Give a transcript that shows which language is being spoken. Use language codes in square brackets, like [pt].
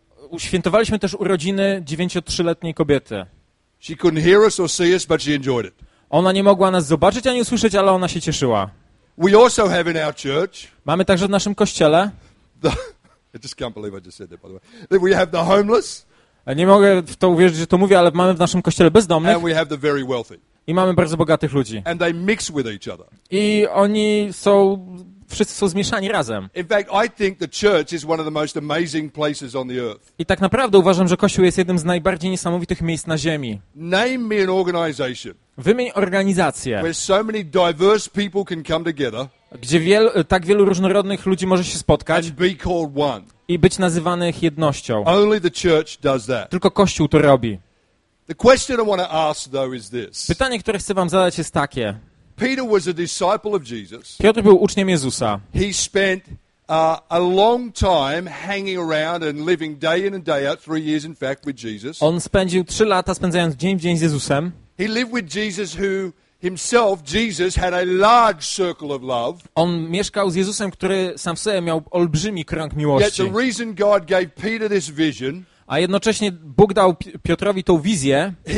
[pl] Uświętowaliśmy też urodziny 93-letniej kobiety. [en] She couldn't hear us or see us, but she enjoyed it. [pl] Ona nie mogła nas zobaczyć ani usłyszeć, ale ona się cieszyła. [en] We also have in our church. [pl] Mamy także w naszym kościele. [en] I just can't believe I just said that, by the way. Then we have the homeless. [pl] Nie mogę w to uwierzyć, że to mówię, ale mamy w naszym kościele bezdomnych. [en] And we have the very wealthy. [pl] I mamy bardzo bogatych ludzi. [en] And they mix with each other. [pl] I oni są, wszyscy są zmieszani razem. [en] In fact, I think the church is one of the most amazing places on the earth. [pl] I tak naprawdę uważam, że kościół jest jednym z najbardziej niesamowitych miejsc na ziemi. [en] Name me an organization. [pl] Wymień organizację. [en] Where so many diverse people can come together. [pl] Gdzie tak wielu różnorodnych ludzi może się spotkać. [en] And be called one. [pl] I być nazywanych jednością. [en] Only the church does that. [pl] Tylko kościół to robi. [en] The question I want to ask, though, is this. [pl] Pytanie, które chcę wam zadać, jest takie. [en] Peter was a disciple of Jesus. [pl] Piotr był uczniem Jezusa. [en] He spent a long time hanging around and living day in and day out, 3 years in fact, with Jesus. [pl] On spędził 3 lata spędzając dzień w dzień z Jezusem. [en] He lived with Jesus, who himself, Jesus, had a large circle of love. [pl] On mieszkał z Jezusem, który sam w sobie miał olbrzymi krąg miłości. [en] Yet the reason God gave Peter this vision. [pl] A jednocześnie Bóg dał Piotrowi tą wizję.